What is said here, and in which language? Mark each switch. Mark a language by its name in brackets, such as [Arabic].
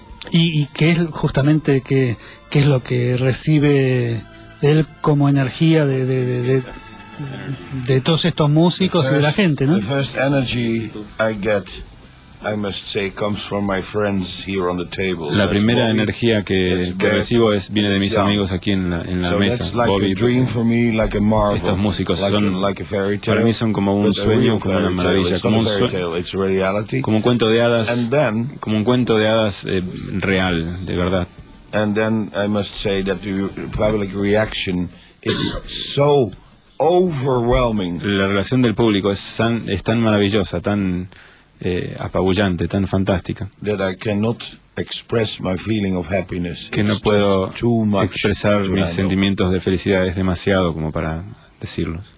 [Spanish] Y qué es justamente qué es lo que recibe él como energía de todos estos músicos y de la gente, ¿no? [English] The first energy I get, I must say, comes from my friends here on the table. [Spanish] La primera energía que recibo es viene de mis amigos aquí en la mesa. [English] Like Bobby, a dream for me, like a marvel. [Spanish] Estos músicos son [English] like a fairy tale, [Spanish] para mí son como un sueño, como una maravilla, como un sueño, como un cuento de hadas, como un cuento de hadas real, de verdad. [English] And then I must say that the public reaction is so overwhelming. [Spanish] La relación del público es tan maravillosa, tan apabullante, tan fantástica, [English] that I cannot express my feeling of happiness. [Spanish] Que no puedo expresar mis sentimientos de felicidad, es demasiado como para decirlo.